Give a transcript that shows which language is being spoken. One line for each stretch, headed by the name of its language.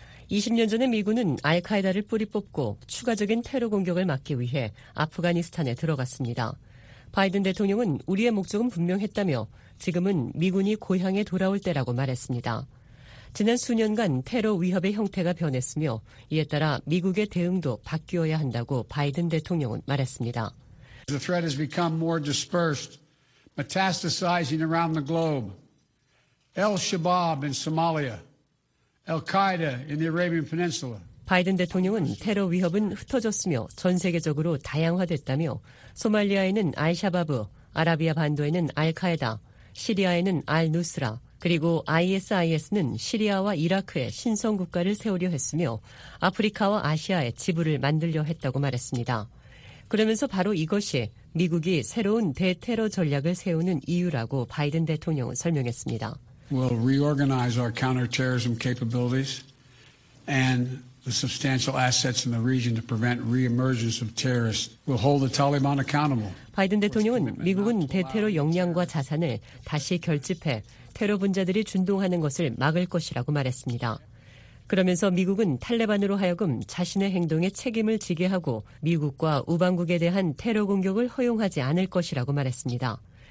Korean: 20년 전에 미군은 알카에다를 뿌리 뽑고 추가적인 테러 공격을 막기 위해 아프가니스탄에 들어갔습니다. 바이든 대통령은 우리의 목적은 분명했다며 지금은 미군이 고향에 돌아올 때라고 말했습니다. 지난 수년간 테러 위협의 형태가 변했으며 이에 따라 미국의 대응도 바뀌어야 한다고 바이든 대통령은 말했습니다.
English: The threat has become more dispersed, metastasizing around the globe. Al-Shabaab in Somalia, Al-Qaeda in the Arabian Peninsula.
Korean: 바이든 대통령은 테러 위협은 흩어졌으며 전 세계적으로 다양화됐다며 소말리아에는 알샤바브, 아라비아 반도에는 알카에다, 시리아에는 알누스라, 그리고 ISIS는 시리아와 이라크에 신성 국가를 세우려 했으며 아프리카와 아시아에 지부를 만들려 했다고 말했습니다. 그러면서 바로 이것이 미국이 새로운 대테러 전략을 세우는 이유라고 바이든 대통령은 설명했습니다.
English: We'll reorganize our counterterrorism capabilities and the substantial assets in the region to prevent re-emergence of terrorists. We'll hold the Taliban accountable.
Korean: 바이든 대통령은 미국은 대테러 역량과 자산을 다시 결집해 테러 분자들이 준동하는 것을 막을 것이라고 말했습니다. 그러면서 미국은 탈레반으로 하여금 자신의 행동에 책임을 지게 하고 미국과 우방국에 대한 테러 공격을 허용하지 않을 것이라고 말했습니다.